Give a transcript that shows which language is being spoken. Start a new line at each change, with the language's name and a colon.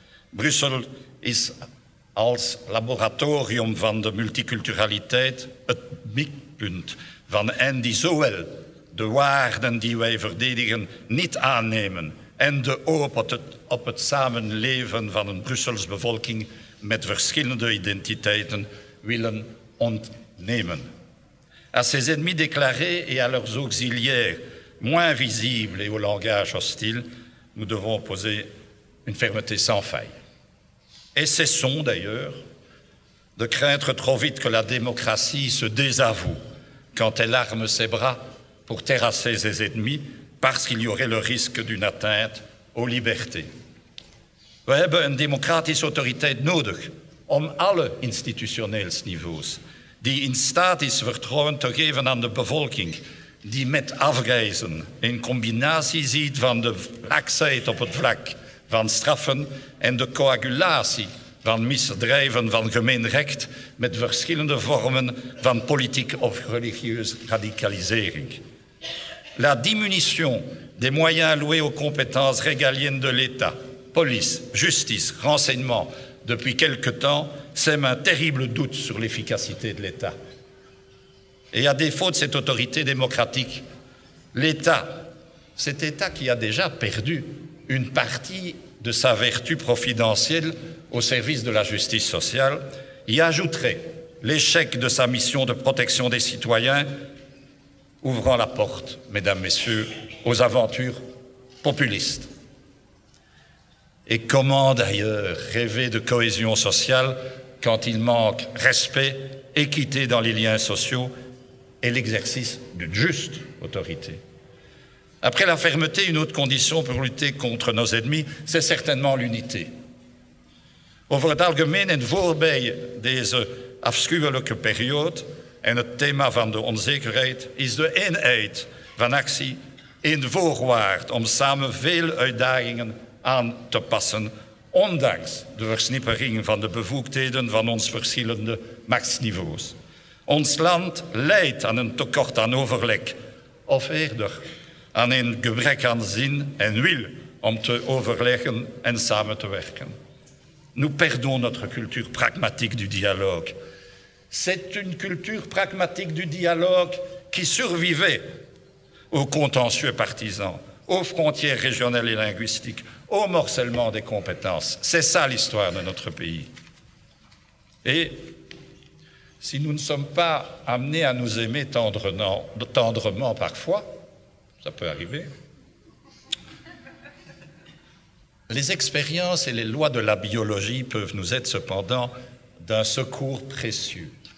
Dutch: Brussel is als laboratorium van de multiculturaliteit het mikpunt van hen die zowel de waarden die wij verdedigen niet aannemen en de hoop op het samenleven van een Brussels bevolking met verschillende identiteiten willen ontnemen.
French: À ses ennemis déclarés et à leurs auxiliaires moins visibles et au langage hostile, nous devons opposer une fermeté sans faille. Et cessons d'ailleurs de craindre trop vite que la démocratie se désavoue quand elle arme ses bras pour terrasser ses ennemis parce qu'il y aurait le risque d'une atteinte aux libertés.
Dutch: We hebben een democratische autoriteit nodig om alle institutionele niveaus die in staat is vertrouwen te geven aan de bevolking die met afgrijzen een combinatie ziet van de laksheid op het vlak van straffen en de coagulatie van misdrijven van gemeen recht met verschillende vormen van politiek of religieuze radicalisering.
French: La diminution des moyens alloués aux compétences régaliennes de l'État, police, justice, renseignement, depuis quelque temps, sème un terrible doute sur l'efficacité de l'État. Et à défaut de cette autorité démocratique, l'État, cet État qui a déjà perdu une partie de sa vertu providentielle au service de la justice sociale, y ajouterait l'échec de sa mission de protection des citoyens, ouvrant la porte, mesdames, messieurs, aux aventures populistes. Et comment d'ailleurs rêver de cohésion sociale quand il manque respect, équité dans les liens sociaux et l'exercice d'une juste autorité ? Après la fermeté, une autre condition pour lutter contre nos ennemis, c'est certainement l'unité.
Dutch: Over het algemeen en voorbij deze afschuwelijke periode en het thema van de onzekerheid is de eenheid van actie een voorwaarde om samen veel uitdagingen aan te passen, ondanks de versnippering van de bevoegdheden van ons verschillende machtsniveaus. Ons land leidt aan een tekort aan overleg, of eerder aan een gebrek aan zin en wil om te overleggen en samen te werken.
French: Nous perdons notre culture pragmatique du dialogue. C'est une culture pragmatique du dialogue qui survivait aux contentieux partisans, aux frontières régionales et linguistiques, au morcellement des compétences. C'est ça l'histoire de notre pays. Et si nous ne sommes pas amenés à nous aimer tendrement parfois, ça peut arriver, les expériences et les lois de la biologie peuvent nous être cependant d'un secours précieux.